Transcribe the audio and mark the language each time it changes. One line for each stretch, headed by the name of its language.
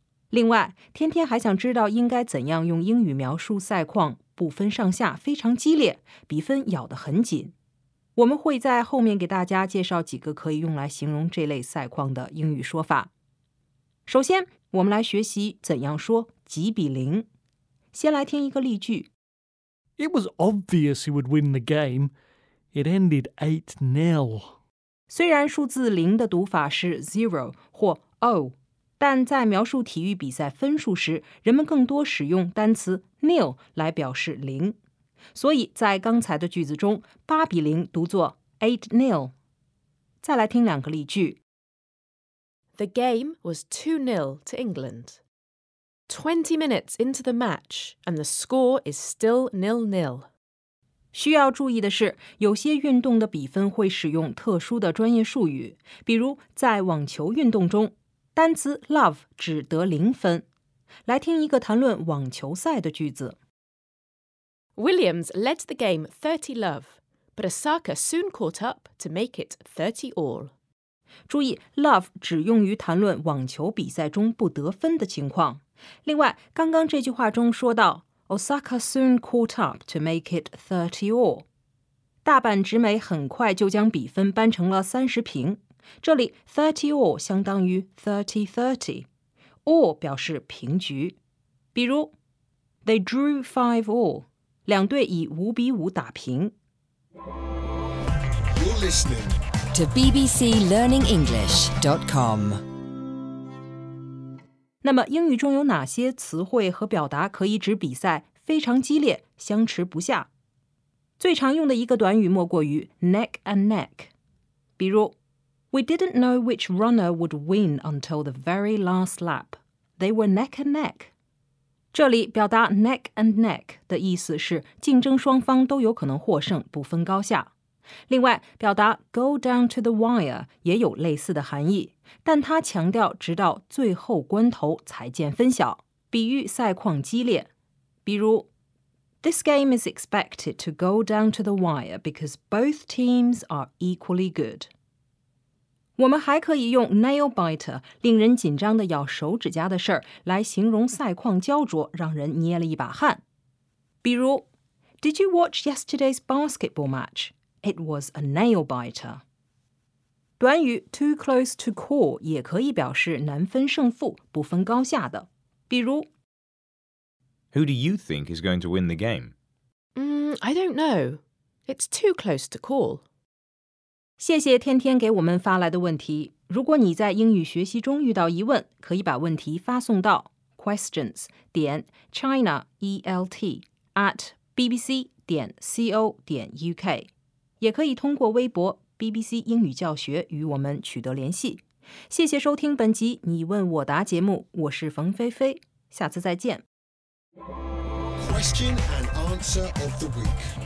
Chinese: 另外，天天还想知道应该怎样用英语描述赛况不分上下，非常激烈，比分咬得很紧。我们会在后面给大家介绍几个可以用来形容这类赛况的英语说法。首先，我们来学习怎样说几-0。先来听一个例句。
English: It was obvious he would win the game. It ended 8-0.
Chinese: 虽然数字零的读法是 zero 或 o， 但在描述体育比赛分数时，人们更多使用单词 nil 来表示零。所以在刚才的句子中，8-0读作 8-0。再来听两个例句。
English: The game was 2-0 to England. 20 minutes into the match, and the score is still 0-0.
Chinese: 需要注意的是，有些运动的比分会使用特殊的专业术语，比如在网球运动中，单词 love 只得零分。来听一个谈论网球赛的句子。
English: Williams led the game 30-love, but Osaka soon caught up to make it 30-all.
Chinese: 注意 love 只用于谈论网球比赛中不得分的情况。另外，刚刚这句话中说到
English: Osaka soon caught up to make it 30-all.
Chinese: 大阪直美很快就将比分扳成了30-平。这里 30-all 相当于 30-30。 all 表示平局。比如
English: They drew 5-all.
Chinese: 两队以5-5打平。
English: You're listening to bbclearningenglish.com。
Chinese: 那么英语中有哪些词汇和表达可以指比赛非常激烈，相持不下？最常用的一个短语莫过于 neck and neck。比如
English: We didn't know which runner would win until the very last lap. They were neck and neck.
Chinese: 这里表达 neck and neck 的意思是竞争双方都有可能获胜，不分高下。另外，表达 go down to the wire 也有类似的含义，但它强调直到最后关头才见分晓，比喻赛况激烈。比如
English: This game is expected to go down to the wire because both teams are equally good.
Chinese: 我们还可以用 nail biter 令人紧张的咬手指甲的事儿来形容赛况焦灼，让人捏了一把汗。比如
English: Did you watch yesterday's basketball match? It was a nail-biter.
Chinese: 短语 too close to call 也可以表示难分胜负，不分高下的。比如
English: Who do you think is going to win the game? I don't know. It's too close to call.
Chinese: 谢谢天天给我们发来的问题。如果你在英语学习中遇到疑问，可以把问题发送到 questions.china@bbc.co.uk。也可以通过微博 BBC 英语教学与我们取得联系。谢谢收听本集你问我答节目，我是冯菲菲，下次再见。
English: Question and answer of the week